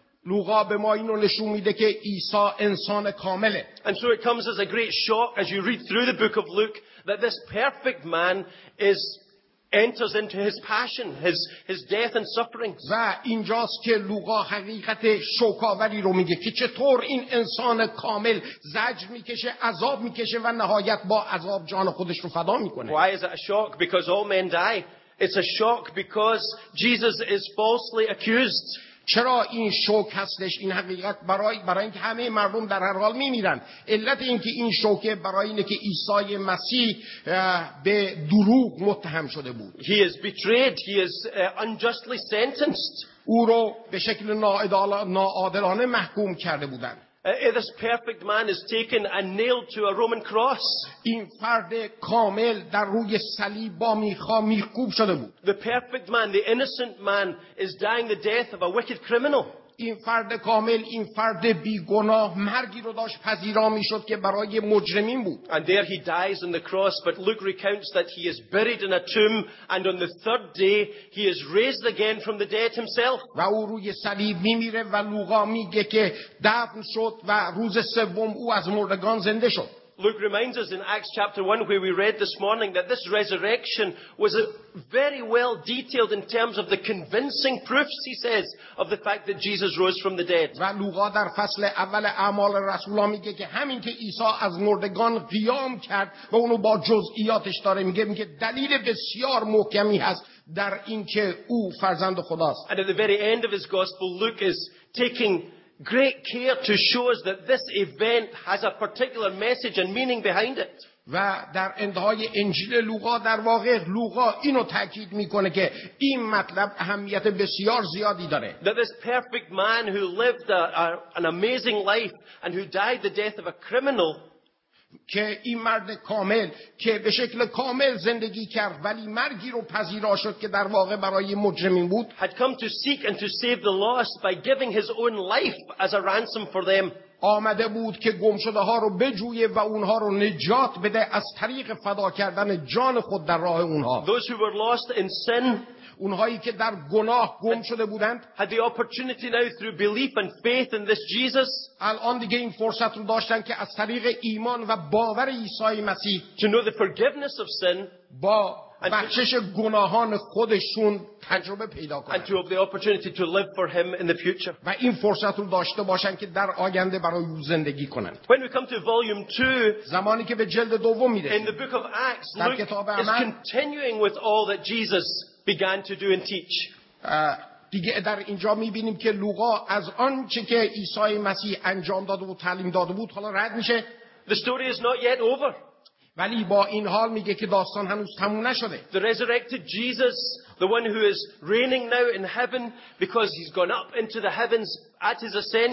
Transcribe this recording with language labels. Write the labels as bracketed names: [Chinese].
[Persian] لوقا به ما اینو نشون میده که عیسی انسان کامله. [English] And so it comes as a great shock as you read through the book of Luke that this perfect man enters into his passion, his death and suffering. [Persian] و اینجاست که لوقا حقیقت شوکاوری رو میگه که چطور این انسان کامل زجر میکشه، عذاب میکشه و نهایت با عذاب جان خودش رو فدا میکنه. [English] Why is it a shock? Because all men die. It's a shock because Jesus is falsely accused. [Persian] چرا این شوک هستش؟ این حقیقت برای اینکه همه مردم در هر حال میمیرن. علت اینکه این شوکه برای اینکه عیسی مسیح به دروغ متهم شده بود. [English] He is betrayed. He is unjustly sentenced. [Persian] او را به شکل ناعادلانه محکوم کرده بودند. [English] This perfect man is taken and nailed to a Roman cross. [Persian] این فرد کامل در روی صلیب با میخا میخکوب شده بود. [English] The perfect man, the innocent man, is dying the death of a wicked criminal. [Persian] این فرد کامل، این فرد بیگناه مرگی رو داشت پذیرا میشد که برای مجرمین بود. [English] And there he dies on the cross, but Luke recounts that he is buried in a tomb and on the third day he is raised again from the dead himself. [Persian] و او روی صلیب میمیره و لوقا میگه که دفن شد و روز سوم او از مردگان زنده شد. [English] Luke reminds us in Acts chapter 1 where we read this morning that this resurrection was very well detailed in terms of the convincing proofs, he says, of the fact that Jesus rose from the dead. [Persian] و لوقا در فصل اول اعمال رسول ها میگه که همین که عیسی از مردگان قیام کرد و اونو با جزئیاتش داره میگه دلیل بسیار محکمی هست در اینکه او فرزند خداست. [English] And at the very end of his gospel, Luke is taking great care to show us that this event has a particular message and meaning behind it. [Persian] و در انتهای انجیل لوقا، در واقع لوقا اینو تاکید میکنه که این مطلب اهمیت بسیار زیادی داره. [English] That this perfect man who lived an amazing life and who died the death of a criminal, [Persian] که این مرد کامل که به شکل کامل زندگی کرد ولی مرگی رو پذیرا شد که در واقع برای مجرمین بود، [English] had come to seek and to save the lost by giving his own life as a ransom for them. [Persian] آمده بود که گمشده ها رو بجویه و اونها رو نجات بده از طریق فدا کردن جان خود در راه اونها. [English] Those who were lost in sin, [Persian] اونهایی که در گناه گم شده بودند، [English] had the opportunity now through belief and faith in this Jesus, [Persian] الان دیگه این فرصت رو داشتن که از طریق ایمان و باور عیسی مسیح، [English] to know the forgiveness of sin, [Persian] با بخشش گناهان خودشون تجربه پیدا کنند. [English] And to have the opportunity to live for him in the future. [Persian] و این فرصت رو داشته باشن که در آینده برای او زندگی کنند. [English] When we come to volume 2, [Persian] زمانی که به جلد دوم میرسیم، [English] in the book of Acts, Luke is continuing with all that Jesus began to do and teach. [Persian] دیگه در اینجا میبینیم که لوقا از آن چه که عیسی مسیح انجام داده و تعلیم داده بود حالا رد میشه. [English] The story is not yet over. [Persian] ولی با این حال میگه که داستان هنوز تموم نشده. [English] The resurrected Jesus, the one who is reigning now in heaven because he's gone up into the heavens at his ascension.